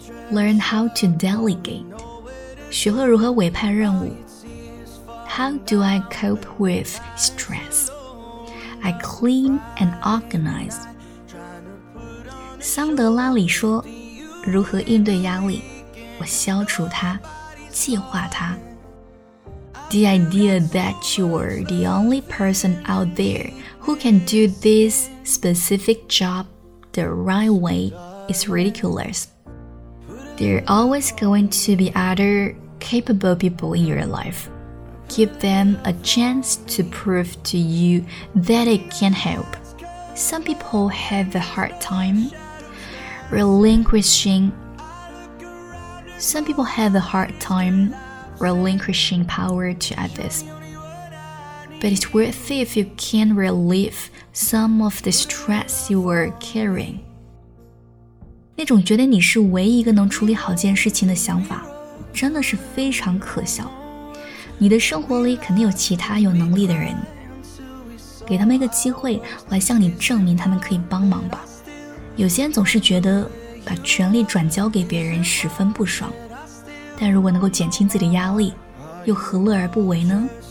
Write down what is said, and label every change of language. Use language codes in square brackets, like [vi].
[en] Learn how to delegate， [zh] 学会如何委派任务。 [en] How do I cope with stress? I clean and organize. [zh] 桑德拉里说，如何应对压力？我消除它，计划它。 [en] The idea that you're the only person out there who can do this specific job the right way is ridiculous. There are always going to be other capable people in your life. Give them a chance to prove to you that it can help. Some people have a hard time relinquishing. Some people have a hard time relinquishing power to others. But it's worth it if you can relieve some of the stress you are carrying. [zh] 那种觉得你是唯一一个能处理好件事情的想法，真的是非常可笑。你的生活里肯定有其他有能力的人，给他们一个机会来向你证明他们可以帮忙吧。有些人总是觉得把权力转交给别人十分不爽，但如果能够减轻自己的压力，又何乐而不为呢？